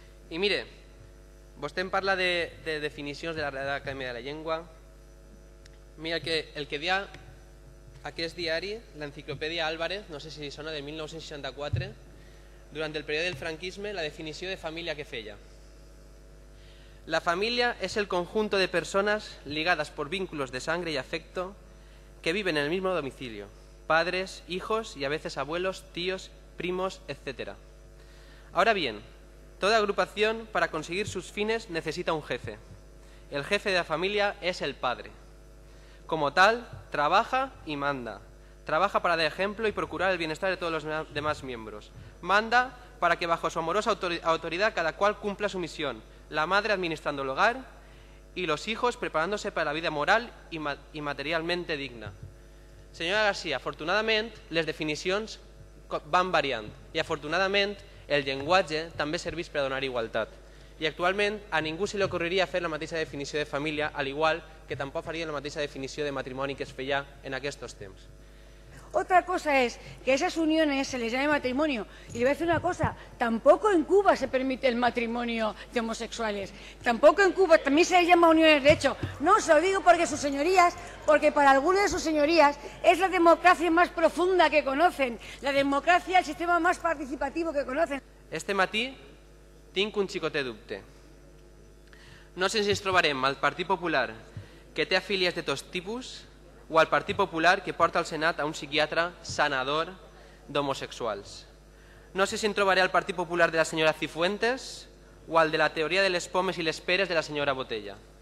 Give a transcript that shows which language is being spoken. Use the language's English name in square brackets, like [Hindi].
[Catalan] I mire, vostè em parla de definicions de la Real Academia de la Llengua. Mira, el que dia aquest diari, l'Enciclopèdia Álvarez, no sé si li sona, de 1964, durant el període del franquisme, la definició de família que feia. La família és [Spanish] el conjunto de [Catalan] persones [Spanish] ligades por vínculos de sangre y afecto que viven en el mismo domicilio, padres, hijos y a veces abuelos, tíos, primos, etc. Ahora bien, toda agrupación para conseguir sus fines necesita un jefe. El jefe de la familia es el padre. Como tal, trabaja y manda. Trabaja para dar ejemplo y procurar el bienestar de todos los demás miembros. Manda para que bajo su amorosa autoridad cada cual cumpla su misión. La madre administrando el hogar y los hijos preparándose para la vida moral y materialmente digna. [Catalan] Senyora García, afortunadament les definicions van variant i afortunadament el llenguatge també serveix per a donar igualtat. I actualment a ningú se li ocorreria fer la mateixa definició de família, al igual que tampoc faria la mateixa definició de matrimoni que es feia en aquests temps. [Spanish] Otra cosa es que esas uniones se les llame matrimonio. Y le voy a decir una cosa, tampoco en Cuba se permite el matrimonio de homosexuales. Tampoco en Cuba, también se les llama uniones de hecho. No, se lo digo porque sus señorías, porque para algunas de sus señorías es la democracia más profunda que conocen, la democracia, el sistema más participativo que conocen. [Catalan] Este matí tinc un xicotet dubte. No sé si ens trobarem al Partit Popular que té afiliats de tots tipus o al Partit Popular que porta al Senat a un psiquiatre sanador d'homosexuals. No sé si en trobaré al Partit Popular de la senyora Cifuentes o al de la teoria de les pomes i les peres de la senyora Botella.